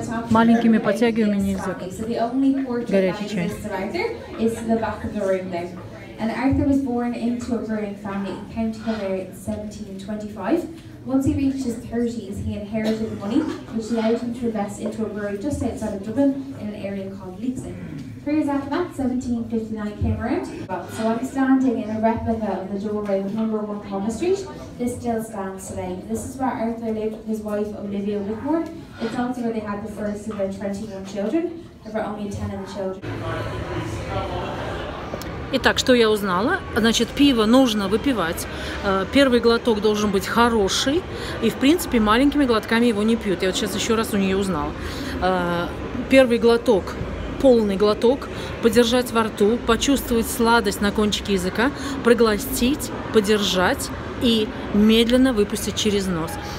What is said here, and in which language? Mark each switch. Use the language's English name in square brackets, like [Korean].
[Russian] Маленькими потягиваниями нельзя. Горячий чай. [English] Is the back of the room there. And Arthur was born into a brewing family in County Kildare in 1725. Once he reached his 30s, he inherited money, which allowed him to invest into a brewery just outside of Dublin in an area called Leixlin. 3 years after that, 1759 came around. So I'm standing in a replica of the doorway of number 1 Palmer Street. This still stands today. This is where Arthur lived with his wife, Olivia Whitmore. It's also where they had the first of their 21 children. There were only 10 of the children. [Russian] Итак, что я узнала? Значит, пиво нужно выпивать. Первый глоток должен быть хороший. И, в принципе, маленькими глотками его не пьют. Я вот сейчас еще раз у нее узнала. Первый глоток, полный глоток, подержать во рту, почувствовать сладость на кончике языка, проглотить, подержать и медленно выпустить через нос.